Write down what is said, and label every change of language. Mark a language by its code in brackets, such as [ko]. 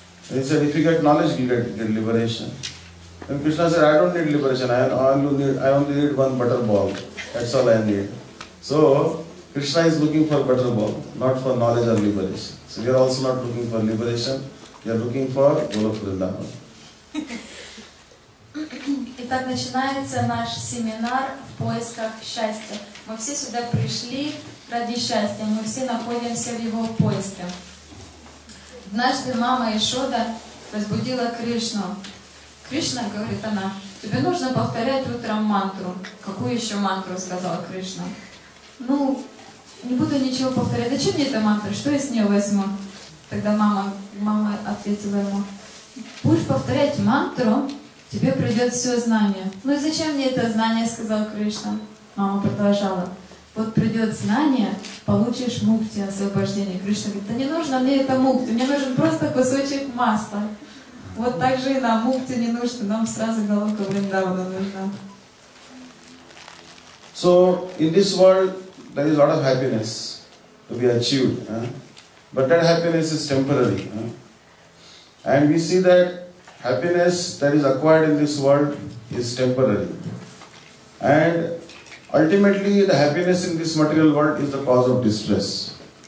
[en] And he said, if you get knowledge, you get liberation. Then Krishna said, I don't need liberation. I only need one butter ball. That's all I need. So Krishna is looking for butter ball, not for knowledge or liberation. So we are also not looking for liberation. We are looking for Golok Vrindavan. [ru] Итак, начинается наш семинар в поисках счастья. Мы все сюда пришли ради счастья, мы все находимся в его поиске. Однажды мама Яшода разбудила Кришну. Кришна, говорит она, тебе нужно повторять утром мантру. Какую еще мантру, сказала Кришна. Ну, не буду ничего повторять. Зачем мне эта мантра, что я с нее возьму? Тогда мама ответила ему, будешь повторять мантру, тебе придет все знание. Ну и зачем мне это знание, сказал Кришна. Мама продолжала, вот придет знание, получишь мукти, освобождение. Кришна говорит, да не нужно мне это мукти, мне нужен просто кусочек масла. Вот так же и нам мукти не нужно, нам сразу головка Вриндавана нужна. [en] So, in this world, there is a lot of happiness to be achieved. But that happiness is temporary. And we see that happiness that is acquired in this world is temporary. And ultimately the happiness in this material world is the cause of distress.